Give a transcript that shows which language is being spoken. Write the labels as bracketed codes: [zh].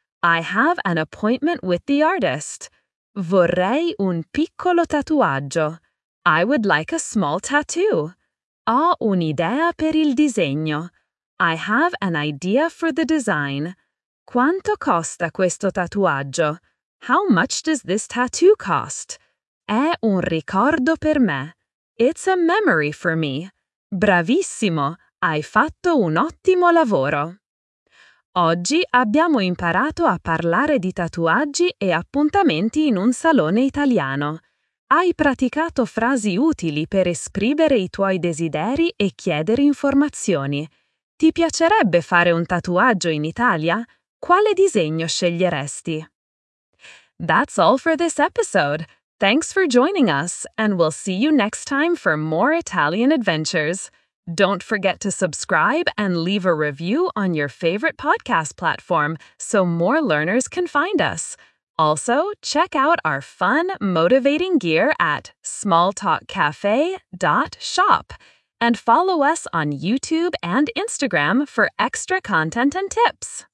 [en] I have an appointment with the artist. [it] Vorrei un piccolo tatuaggio. [en] I would like a small tattoo. [it] Ho un'idea per il disegno. [en] I have an idea for the design. [it] Quanto costa questo tatuaggio? [en] How much does this tattoo cost? [it] È un ricordo per me. [en] It's a memory for me. [it] Bravissimo! Hai fatto un ottimo lavoro! Oggi abbiamo imparato a parlare di tatuaggi e appuntamenti in un salone italiano. Hai praticato frasi utili per esprimere i tuoi desideri e chiedere informazioni. Ti piacerebbe fare un tatuaggio in Italia? Quale disegno sceglieresti? [en] That's all for this episode. Thanks for joining us, and we'll see you next time for more Italian adventures. Don't forget to subscribe and leave a review on your favorite podcast platform so more learners can find us. Also, check out our fun, motivating gear at smalltalkcafe.shop and follow us on YouTube and Instagram for extra content and tips.